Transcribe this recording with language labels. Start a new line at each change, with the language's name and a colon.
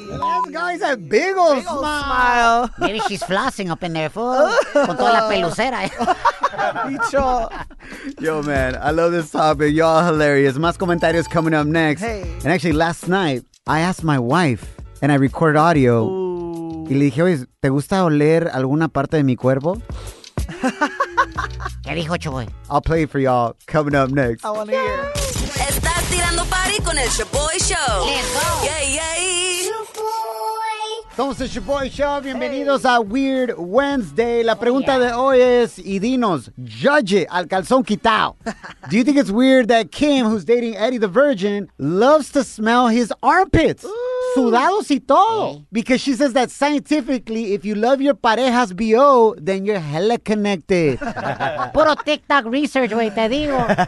English: Man. This guy's a big old smile. Maybe she's flossing up in there, fool.
Spanish: Con toda la pelucera.
English: Yo, man, I love this topic. Y'all are hilarious.
Spanish: Más comentarios
English: coming up next. Hey. And actually, last night, I asked my wife, and I recorded audio. Ooh.
Spanish: Y le dije, oye, ¿te gusta oler alguna parte de mi cuerpo? ¿Qué dijo, Choboy?
English: I'll play it for y'all coming up next. I want to hear.
Spanish: Estás tirando party con el Shaboy Show. Yay, yay. Somos el Shaboy Show. Bienvenidos a Weird Wednesday. La pregunta de hoy es, y dinos,
English: judge it,
Spanish: al calzón quitado.
English: Do you think it's weird that Kim, who's dating Eddie the Virgin, loves to smell his armpits? Ooh.
Spanish: Sudados y todo. Hey.
English: Because she says that scientifically, if you love your pareja's BO, then you're hella connected.
Spanish: Puro TikTok research, güey, te digo.